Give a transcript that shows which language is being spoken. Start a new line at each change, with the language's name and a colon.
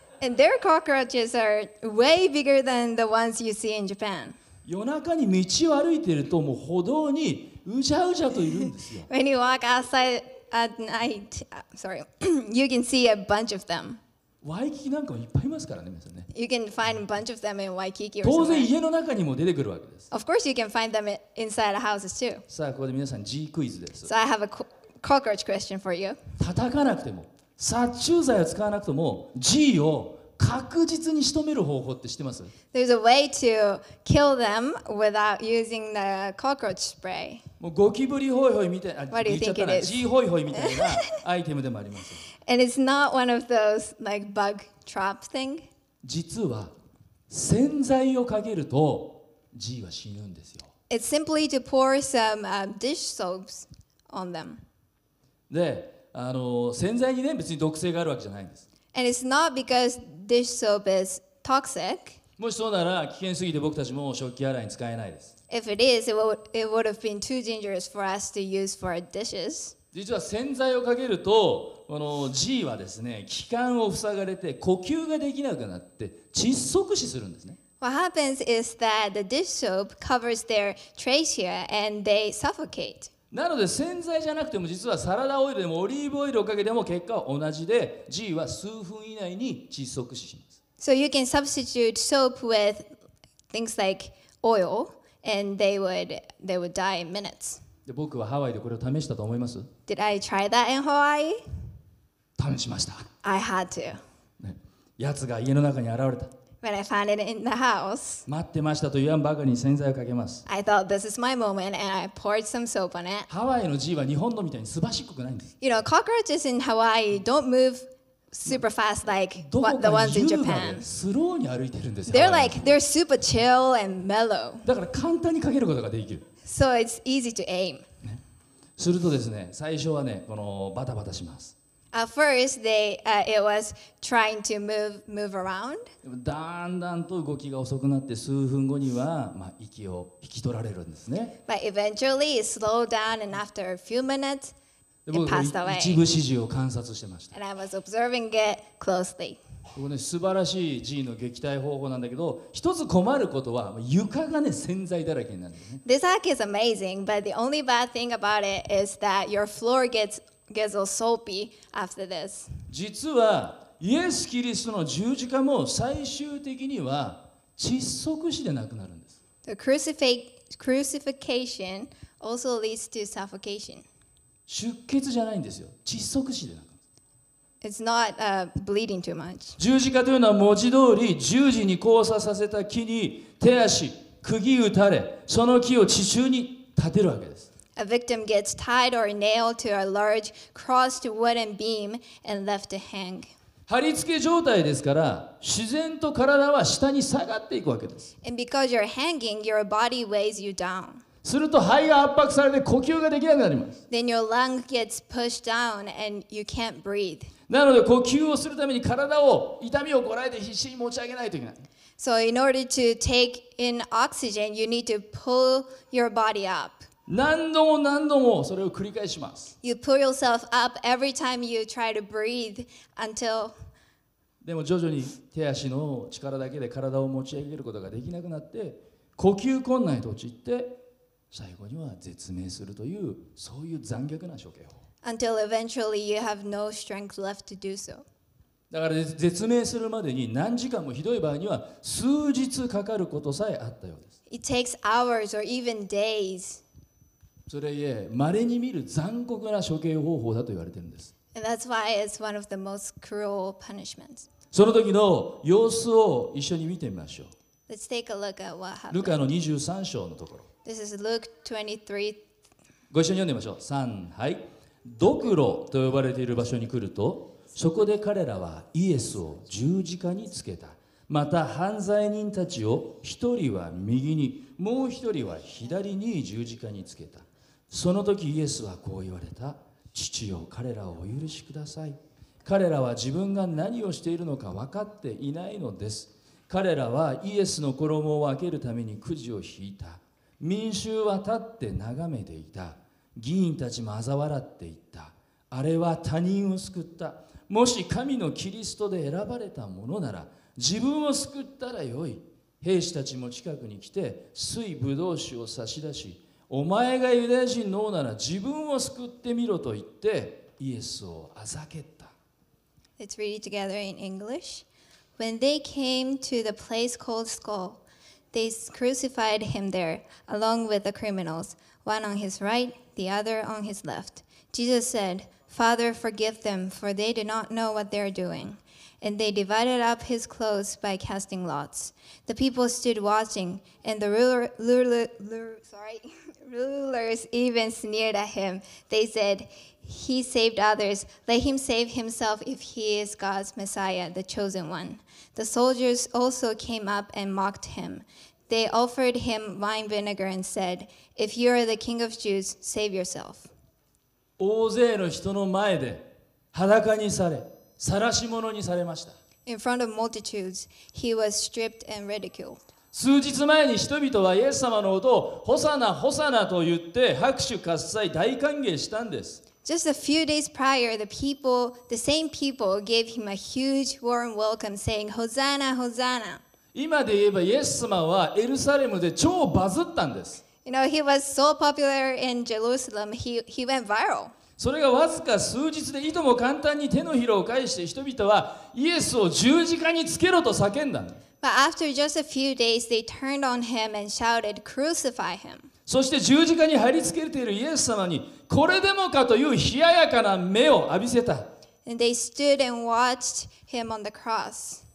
English: And their cockroaches are way bigger than the ones you see in Japan.
Japanese: 夜中に道を歩いているともう歩道にうじゃうじゃといるんですよ。
English: When you walk outside at night, sorry, you can see a bunch of them.
Japanese: ワイキキなんかもいっぱいいますからね、皆さんね。
English: You can find a bunch of them in Waikiki.
Japanese: 当然家の中にも出てくるわけです。
English: Of course, you can find them inside the houses too.
Japanese: さあここで皆さん G クイズです。
English: So I have a Cockroach question for you.
Japanese: 叩かなくても、殺虫剤を使わなくても、G を確実に仕留める方法って知ってます？
English: There's a way to kill them without using the cockroach spray.
Japanese: もうゴキブリホイホイみたいな、言っちゃったな。G ホイホイみたいなアイテムでもあります。
English: And it's not one of those like bug trap thing.
Japanese: 実は洗剤をかけると G は死ぬんですよ。
English: It's simply to pour some dish soaps on them.
Japanese: で、洗剤にね、別に毒性があるわけじゃないんです。
English: And it's not because dish soap is toxic.
Japanese: もしそうなら危険すぎて僕たちも食器洗いに使えないです。
English: If it is, it would have been too dangerous for us to use for our dishes.
Japanese: 実は洗剤をかけると、この G はですね、気管を塞がれて呼吸ができなくなって窒息死するんですね。
English: What happens is that the dish soap covers their trachea and they suffocate.
Japanese: なので洗剤じゃなくても実はサラダオイルでもオリーブオイルをかけても結果は同じで G は数分以内に窒息死します。
English: So you can substitute soap with things like oil and they would die in minutes.
Japanese: で僕はハワイでこれを試したと思います。
English: Did I try that in Hawaii?
Japanese: 試しました。
English: I had to.、
Japanese: ね、やつが家の中に現れた。
English: When I found it in the house,
Japanese: 待ってましたと言わんばかりに洗剤をかけます。
English: I thought this is my moment and I poured some soap on it.
Japanese: ハワイの G は日本のみたいに素晴らしっこくないんです。
English: You know, cockroaches in Hawaii don't move super fast like the ones in Japan.
Japanese: スローに歩いてるんですよ。
English: They're like, they're super chill and mellow.
Japanese: だから簡単にかけることができる。
English: So it's easy to aim.、ね、
Japanese: するとですね、最初はね、このバタバタします。
English: At first, it was trying to move around.
Japanese: だんだんと動きが遅くなって数分後には、まあ、息を引き取られるんですね。
English: But eventually, it slowed down, and after a few minutes, it passed away.
Japanese: 一部始終を観察してました。
English: And I was observing it closely.
Japanese: ここね、素晴らしい G の撃退方法なんだけど、一つ困ることは床がね、洗剤だらけになるんですね。
English: This act is amazing, but the only bad thing about it is that your floor gets all soapy after this.
Japanese: 実はイエス・キリストの十字架も最終的には窒息死で亡くなるんです。
English: The crucifixion also leads to suffocation.
Japanese: 出血じゃないんですよ。窒息死で亡くなる。
English: It's not bleeding too much.
Japanese: 十字架というのは文字通り十字に交差させた木に手足、釘打たれ、その木を地中に立てるわけです。
English: A victim gets tied or nailed to a large crossed wooden beam and left to hang.
Japanese: 貼り付け状態ですから、自然と体は下に下がっていくわけです。
English: And because you're hanging, your body weighs you down.
Japanese: すると肺が圧迫されて呼吸ができなくなります。
English: Then your lung gets pushed down and you can't breathe.
Japanese: なので呼吸をするために体を痛みをこらえて必死に持ち上げないといけない。
English: So in order to take in oxygen, you need to pull your body up.
Japanese: 何度も何度もそれを繰り返します。
English: You pull yourself up every time you try to breathe until.
Japanese: でも徐々に手足の力だけで体を持ち上げることができなくなって、呼吸困難に陥って、最後には絶命するというそういう残虐な処刑法。
English: Until eventually you have no strength left to do so.
Japanese: だから絶命するまでに何時間もひどい場合には数日かかることさえあったようです。
English: It takes hours or even days.
Japanese: それいえ、まれに見る残酷な処刑方法だと言われているんです。
English: And that's why it's one of the most cruel punishments.
Japanese: その時の様子を一緒に見てみましょう。
English: Let's take a look at what happened.
Japanese: ルカの23章のところ。
English: This is Luke 23.
Japanese: ご一緒に読んでみましょう。3、はい。ドクロと呼ばれている場所に来ると、そこで彼らはイエスを十字架につけた。また犯罪人たちを一人は右に、もう一人は左に十字架につけた。その時イエスはこう言われた。父よ、彼らをお許しください。彼らは自分が何をしているのか分かっていないのです。彼らはイエスの衣を分けるためにくじを引いた。民衆は立って眺めていた。議員たちも嘲笑っていった。あれは他人を救った。もし神のキリストで選ばれたものなら、自分を救ったらよい。兵士たちも近くに来て、水ぶどう酒を差し出し、お前がユダヤ人の王なら自分を救ってみろと言って、イエスをあざけた。
English: Let's read it together in English. When they came to the place called Skull, they crucified him there, along with the criminals, one on his right, the other on his left. Jesus said, Father, forgive them, for they do not know what they are doing. And they divided up his clothes by casting lots. The people stood watching, and the rulers even sneered at him. They said, He saved others. Let him save himself if he is God's Messiah, the chosen one. The soldiers also came up and mocked him. They offered him wine vinegar and said, If you are the king of Jews, save yourself.
Japanese: 大勢の人の前で裸にされ、晒し者にされました。
English: In front of multitudes, he was stripped and ridiculed.
Japanese: 数日前に人々はイエス様の音をホサナ、ホサナと言って拍手喝采、大歓迎したんです。
English: Just a few days prior, the same people gave him a huge warm welcome, saying, Hosanna, Hosanna.
Japanese: 今で言えばイエス様はエルサレムで超バズったんです。
English: You know, he was so popular in Jerusalem, he went viral.
Japanese: それがわずか数日でいとも簡単に手のひらを返して人々はイエスを十字架につけろと叫んだ。
English: But after just a few days, they turned on him and shouted, Crucify him.
Japanese: そして十字架に貼り付けているイエス様にこれでもかという冷ややかな目を浴びせた。
English: And they stood and watched him on the cross.